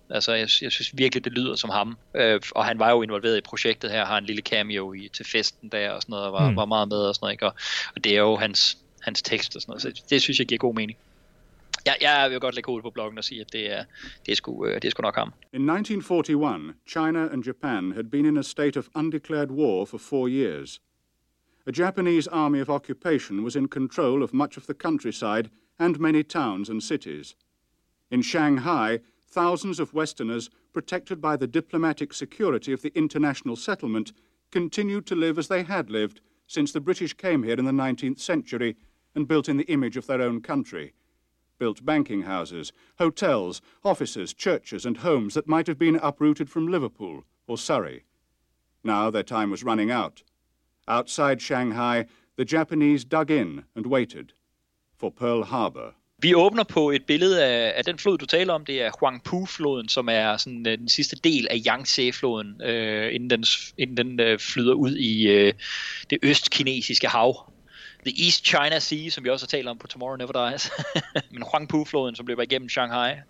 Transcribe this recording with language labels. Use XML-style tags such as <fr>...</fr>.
<da>Altså, jeg synes virkelig, det lyder som ham. Og han var jo involveret i projektet her, har en lille cameo til festen der og sådan noget, og var meget med og sådan noget. Ikke? Og det er jo hans tekst og sådan noget. Så det synes jeg giver god mening. Jeg vil godt lægge ud på bloggen og sige, at det er sgu nok ham.</da> <en>In 1941, China and Japan had been in a state of undeclared war for 4 years. A Japanese army of occupation was in control of much of the countryside and many towns and cities. In Shanghai, thousands of Westerners, protected by the diplomatic security of the international settlement, continued to live as they had lived since the British came here in the 19th century and built in the image of their own country. Built banking houses, hotels, offices, churches, and homes that might have been uprooted from Liverpool or Surrey. Now their time was running out. Outside Shanghai, the Japanese dug in and waited for Pearl Harbor.</en> <da>Vi åbner på et billede af den flod, du taler om. Det er Huangpu-floden, som er sådan, den sidste del af Yangtze-floden, inden den flyder ud i det østkinesiske hav. The East China Sea, som vi også har talt om på Tomorrow Never Dies. Men Huangpu-floden, som løber igennem Shanghai.</da>